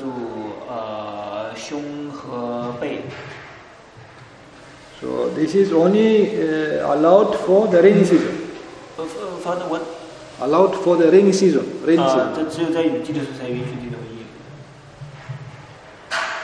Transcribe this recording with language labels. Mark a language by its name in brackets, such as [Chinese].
[Chinese] 就是用比较，因为它比较长嘛，所以就是可以遮住胸和背。 [English] So this is only allowed for the rainy season. For the what? Allowed for the rainy season. Rainy season. [Chinese] 这只有在雨季的时候才允许这种衣服。